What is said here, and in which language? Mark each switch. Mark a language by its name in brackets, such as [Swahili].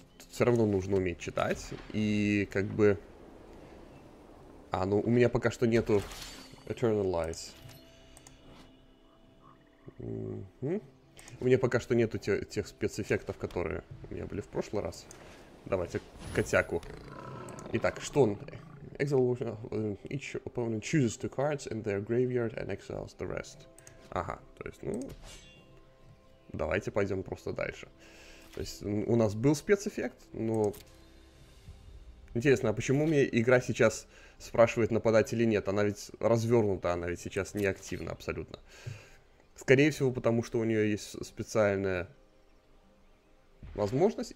[Russian] Все равно нужно уметь читать. И как бы... А, ну у меня пока что нету Eternal Lights. У меня пока что нету тех спецэффектов, которые у меня были в прошлый раз. Давайте котяку. Итак, что он? [English] Each opponent chooses two cards in their graveyard and exiles the rest. [Russian] Ага, то есть, ну... Давайте пойдем просто дальше. То есть у нас был спецэффект, но... Интересно, а почему мне игра сейчас спрашивает, нападать или нет? Она ведь развернута, она ведь сейчас не активна абсолютно. Скорее всего, потому что у нее есть специальная возможность.